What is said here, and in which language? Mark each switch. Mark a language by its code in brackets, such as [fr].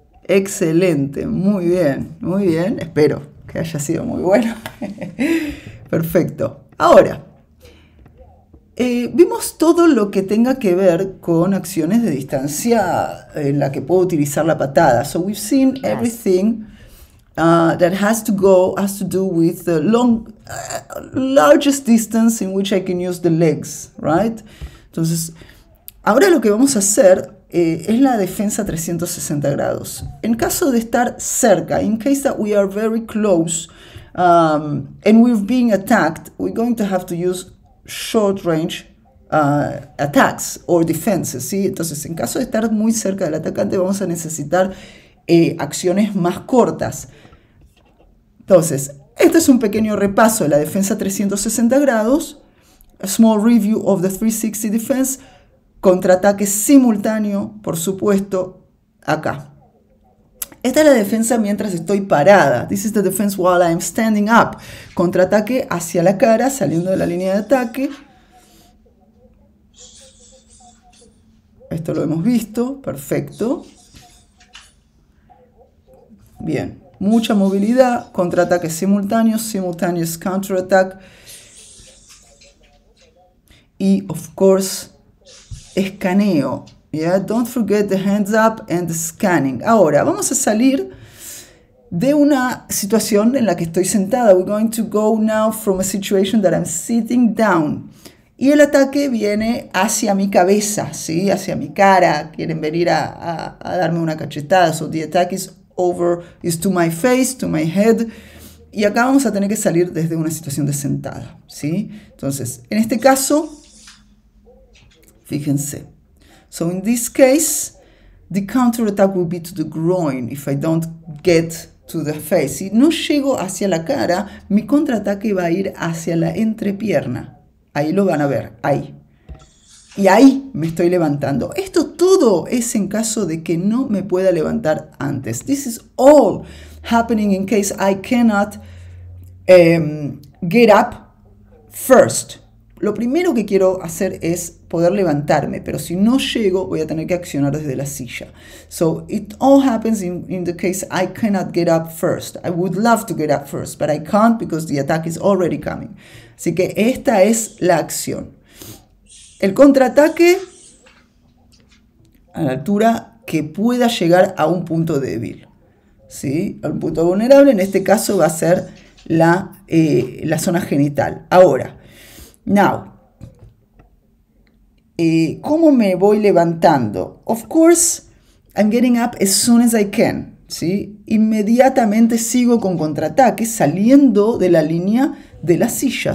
[es] Excelente, muy bien, espero que haya sido muy bueno. Perfecto. Ahora, vimos todo lo que tenga que ver con acciones de distancia en la que puedo utilizar la patada. [en] So we've seen yes. Everything that has to do with the largest distance in which I can use the legs, right? [es] Entonces, ahora lo que vamos a hacer es la defensa 360 grados. En caso de estar cerca, [en] in case that we are very close and we're being attacked, we're going to have to use short range attacks or defenses, ¿sí? [es] Entonces, en caso de estar muy cerca del atacante, vamos a necesitar acciones más cortas. Entonces, este es un pequeño repaso de la defensa 360 grados, [en] a small review of the 360 defense. [es] Contraataque simultáneo, por supuesto, acá. Esta es la defensa mientras estoy parada. This is the defense while I'm standing up. Contraataque hacia la cara, saliendo de la línea de ataque. Esto lo hemos visto. Perfecto. Bien. Mucha movilidad. Contraataque simultáneo. [en] Simultaneous counterattack. [es] Y, [en] of course, [es] escaneo. Yeah? [en] Don't forget the hands up and the scanning. [es] Ahora, vamos a salir de una situación en la que estoy sentada. [en] We're going to go now from a situation that I'm sitting down. [es] Y el ataque viene hacia mi cabeza, ¿sí? Hacia mi cara. Quieren venir a darme una cachetada. [en] So the attack is to my face, to my head. [es] Y acá vamos a tener que salir desde una situación de sentada, ¿sí? Entonces, en este caso, fíjense. [en] So in this case, the counter attack will be to the groin if I don't get to the face. [es] Si no llego hacia la cara, mi contraataque va a ir hacia la entrepierna. Ahí lo van a ver, ahí. Y ahí me estoy levantando. Esto todo es en caso de que no me pueda levantar antes. [en] This is all happening in case I cannot get up first. [es] Lo primero que quiero hacer es poder levantarme, pero si no llego, voy a tener que accionar desde la silla. [en] So it all happens in the case I cannot get up first. I would love to get up first, but I can't because the attack is already coming. [es] Así que esta es la acción. El contraataque a la altura que pueda llegar a un punto débil. ¿Sí? A un punto vulnerable, en este caso va a ser la zona genital. Ahora, [en] now, [es] ¿cómo me voy levantando? [en] Of course, I'm getting up as soon as I can. [es] ¿Sí? Inmediatamente sigo con contraataque saliendo de la línea de la silla.